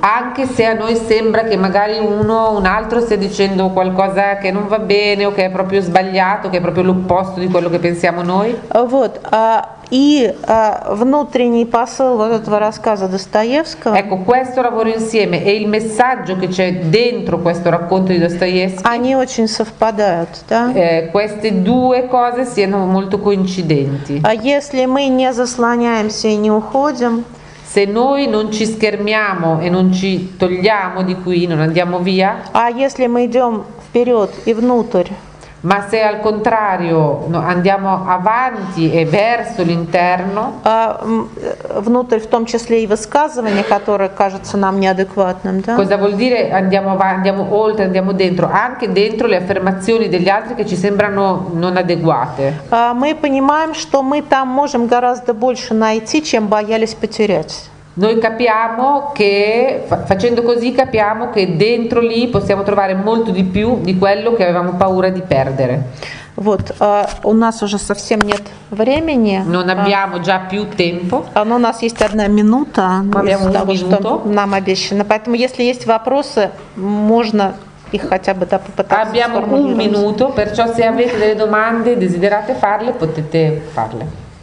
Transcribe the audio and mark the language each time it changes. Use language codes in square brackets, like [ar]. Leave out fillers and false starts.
[it] Anche se a noi sembra che magari uno un altro stia dicendo qualcosa che non va bene o che è proprio sbagliato, che è proprio l'opposto di quello che pensiamo noi. [ru] Вот, внутренний посыл вот этого рассказа Достоевского. [it] Ecco, questo lavoro insieme e il messaggio che c'è dentro questo racconto di Dostoevskij. [ru] Они очень совпадают, да? [it] Queste due cose siano molto coincidenti. [ru] А если мы не заслоняемся и не уходим? [it] Se noi non ci schermiamo e non ci togliamo di qui, non andiamo via? [ru] А если мы идем вперед и внутрь? [it] Ma se al contrario andiamo avanti e verso l'interno, [ru] внутрь, в том числе и высказывания, которые кажутся нам неадекватным, да? [it] Cosa vuol dire andiamo avanti, andiamo oltre, andiamo dentro, anche dentro le affermazioni degli altri che ci sembrano non adeguate. [ru] Мы понимаем, что мы там можем гораздо больше найти, чем боялись потерять. [it] Noi capiamo che facendo così capiamo che dentro lì possiamo trovare molto di più di quello che avevamo paura di perdere. [ru] Вот, у нас уже совсем нет времени. [it] Non abbiamo già più tempo. [ru] Но у нас есть одна минута, [it] abbiamo un minuto. [ru] Нам обещано. Поэтому если есть вопросы, можно их хотя бы попытаться. [it] Abbiamo un minuto, perciò se avete delle domande, desiderate farle, potete farle.